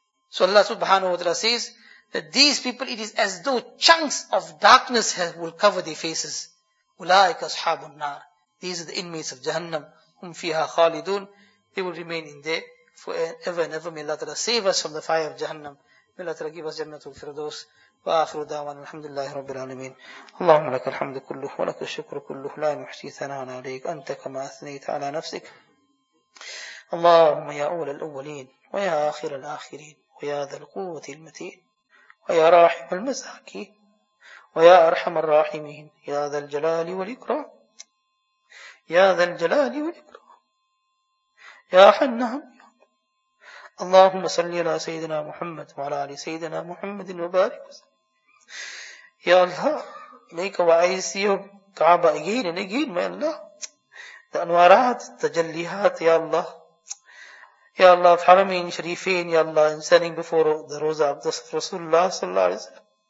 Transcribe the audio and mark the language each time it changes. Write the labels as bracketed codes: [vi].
[en] So Allah subhanahu wa ta'ala says that these people, it is as though chunks of darkness will cover their faces. [ar] Ulaika ashabun nar. [en] These are the inmates of Jahannam. [ar] Hum fiha khalidun. [en] They will remain in there forever and ever. May Allah ta'ala save us from the fire of Jahannam. May Allah ta'ala give us Jannatul Firdaus. [ar] وآخر دعوانا الحمد لله رب العالمين اللهم لك الحمد كله ولك الشكر كله لا نحصي ثناء عليك أنت كما أثنيت على نفسك اللهم يا أول الأولين ويا آخر الآخرين ويا ذا القوة المتين ويا راحم المساكين ويا أرحم الراحمين يا ذا الجلال والإكرام يا ذا الجلال والإكرام يا حنان اللهم صل على سيدنا محمد وعلى آل سيدنا محمد وبارك وسلم. [en] Ya Allah, make our eyes see your Kaaba again and again, my Allah. The Anwarat, the Jalihat, Ya Allah. Ya Allah, of Haramain Sharifain, Ya Allah, and standing before the Rosa of the Rasulullah sallallahu alayhi wa sallam.